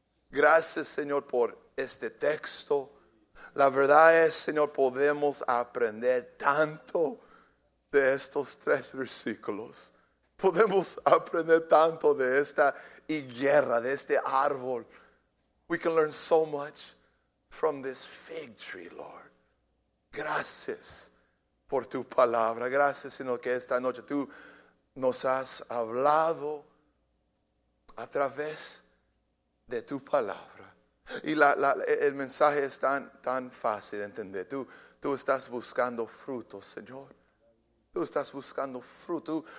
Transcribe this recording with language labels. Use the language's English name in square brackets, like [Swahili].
[Spanish] Gracias, Señor, por este texto. La verdad es, Señor, podemos aprender tanto de estos tres versículos. Podemos aprender tanto de esta higuera, de este árbol. [English] We can learn so much from this fig tree, Lord. [Spanish] Gracias por tu palabra. Gracias, Señor, que esta noche tú nos has hablado a través de tu palabra. Y el mensaje es tan fácil de entender. Tú estás buscando fruto, Señor. Tú estás buscando fruto.